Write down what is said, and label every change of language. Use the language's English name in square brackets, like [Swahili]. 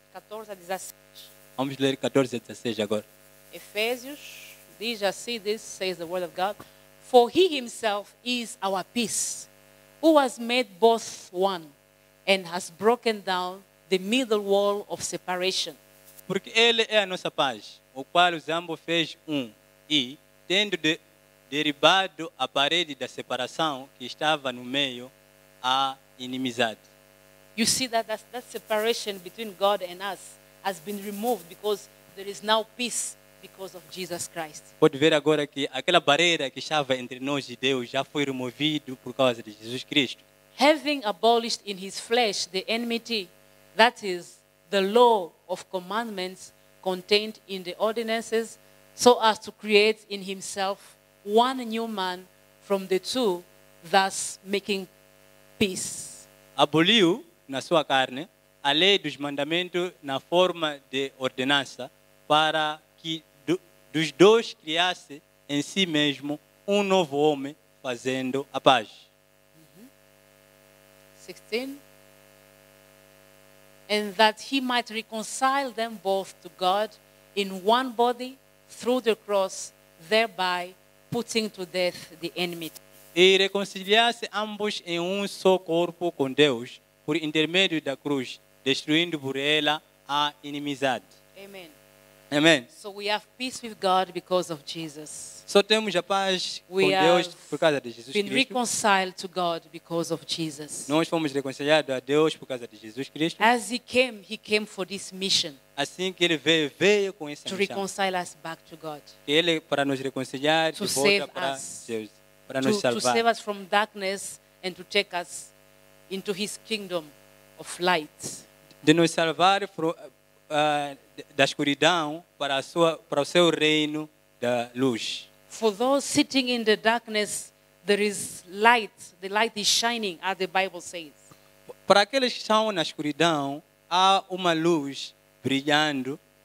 [Portuguese] 14 a 17. Vamos ler 14 a 16 agora. Efésios diz assim, [English] this says the word of God. For He Himself is our peace, who has made both one, and has broken down the middle wall of separation. [Portuguese] Porque Ele é a nossa paz, o qual os ambos fez e, tendo derribado a parede da separação que estava no meio, a inimizade. [English] You see that separation between God and us has been removed because there is now peace because of Jesus Christ. [Portuguese] Pode ver agora que aquela barreira que estava entre nós e Deus já foi removido por causa de Jesus Cristo. [English] Having abolished in His flesh the enmity, that is, the law of commandments contained in the ordinances, so as to create in Himself one new man from the two, thus making peace. [Portuguese] Aboliu na sua carne a lei dos mandamentos na forma de ordenança, para que dos dois criasse em si mesmo novo homem, fazendo a paz. [English] 16, and that He might reconcile them both to God in one body through the cross, thereby putting to death the enmity. [Portuguese] E reconciliasse ambos em só corpo com Deus por intermédio da cruz, destruindo por ela a inimizade. [English] Amen. Amen. So we have peace with God because of Jesus. [Portuguese] Só temos a paz [English] we [Portuguese] com Deus por causa de Jesus [English] been [Portuguese] Cristo. [English] Reconciled to God because of Jesus. [Portuguese] Nós fomos reconciliados a Deus por causa de Jesus Cristo. [English] As he came for this mission. [Portuguese] Assim que Ele veio com essa missão. [English] To reconcile us back to God. [Portuguese] Ele para nos reconciliar [English] to [Portuguese] de volta para Deus, para nos salvar. [English] To save us from darkness and to take us into His kingdom of light. [Portuguese] De nos salvar da escuridão para o seu reino da luz. [English] For those sitting in the darkness, there is light. The light is shining, as the Bible says. [Portuguese] Para aqueles que estão na escuridão, há uma luz brilhando.